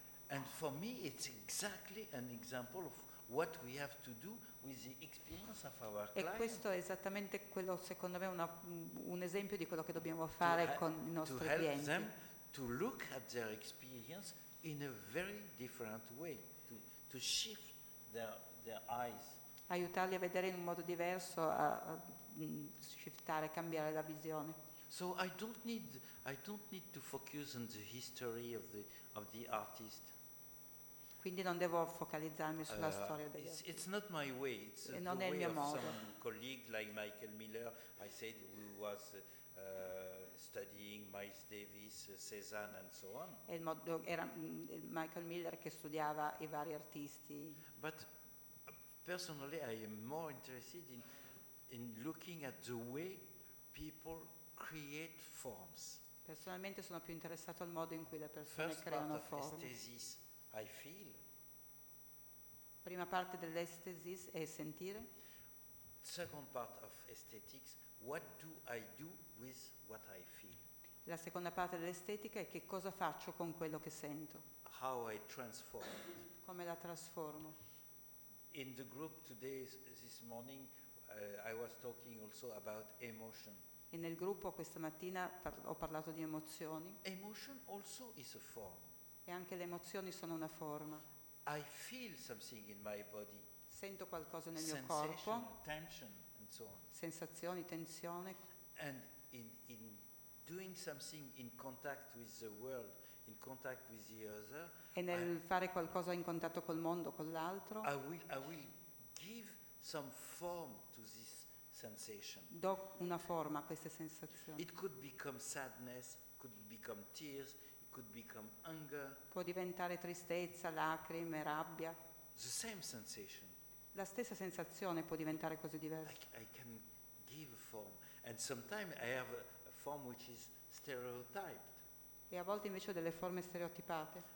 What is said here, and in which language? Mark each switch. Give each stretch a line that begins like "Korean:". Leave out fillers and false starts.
English: And for me it's exactly an example of what we have to do with the experience of our client.
Italian: E questo è esattamente quello, secondo me, un esempio di quello che dobbiamo fare con i nostri clienti.
English: To help them to look at their experience in a very different way, to shift their eyes.
Italian: Aiutarli a vedere in un modo diverso, a shiftare, cambiare la visione.
English: So I don't need to focus on the history of the artist.
Italian: Quindi non devo focalizzarmi sulla storia degli artisti.
English: It's not my way. It's
Italian: non
English: the
Italian: è il
English: way
Italian: mio
English: of
Italian: modo.
English: Some colleague like Michael Miller. I said who was studying Miles Davis, Cézanne, and so on.
Italian: E il modo era Michael Miller che studiava i vari artisti.
English: But personally, I am more interested in looking at the way people create forms.
Italian: Personalmente sono più interessato al modo in cui le persone creano forme.
English: I feel.
Italian: Prima parte dell'esthesis è sentire.
English: Second part of aesthetics, what do I do with what I feel?
Italian: La seconda parte dell'estetica è che cosa faccio con quello che sento.
English: How I transform.
Italian: Come la trasformo.
English: In the group today, this morning, I was talking also about emotion.
Italian: E nel gruppo questa mattina ho parlato di emozioni.
English: Emotion also is a form.
Italian: E anche le emozioni sono una forma.
English: I feel something in my body.
Italian: Sento qualcosa nel mio corpo.
English: Tension and so on.
Italian: Sensazioni, tensione.
English: And in doing something in contact with the world, in contact with the other.
Italian: E nel fare qualcosa in contatto col mondo, con l'altro.
English: I will give some form to this sensation.
Italian: Do una forma a queste sensazioni.
English: It could become sadness, could become tears, it could become anger.
Italian: Può diventare tristezza, lacrime, rabbia.
English: The same sensation.
Italian: La stessa sensazione può diventare così diversa.
English: I can give form, and sometimes I have a form which is stereotyped.
Italian: E a volte invece ho delle forme stereotipate.